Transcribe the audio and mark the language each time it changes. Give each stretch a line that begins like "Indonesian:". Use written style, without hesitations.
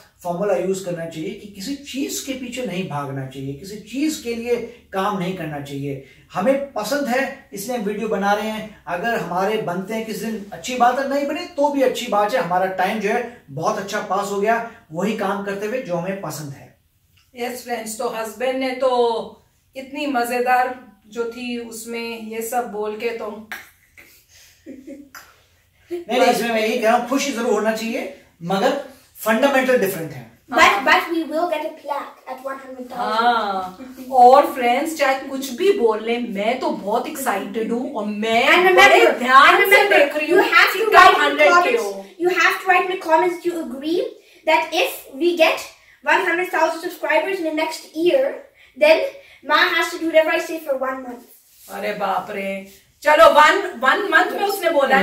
Hindi: Formula use करना चाहिए कि किसी चीज के पीछे नहीं भागना चाहिए, किसी चीज के लिए काम नहीं करना चाहिए, हमें पसंद है इसलिए वीडियो बना रहे हैं, अगर हमारे बनते हैं किसी दिन अच्छी बात है, नहीं बने तो भी अच्छी बात है, हमारा टाइम जो है बहुत अच्छा पास हो गया वही काम करते हुए जो हमें पसंद है। यस फ्रेंड्स, तो हस्बैंड ने तो इतनी मजेदार जो थी उसमें ये सब बोल के तो नहीं, इसमें मैं यही कह रहा हूँ खुशी जरूर होना चाहिए मगर फंडामेंटल डिफरेंट है।
English: But we will get a plaque at 100,000.
Hindi: और फ्रेंड्स चाहे कुछ भी बोल ले, मैं तो बहुत एक्साइटेड हूँ और मैं बड़े ध्यान से देख रही हूँ।
English: You have to write in the comments if you agree that if we get 100,000 subscribers in the next year, then Ma has to do whatever I say for 1 month.
Hindi: अरे बाप रे, चलो one month में उसने बोला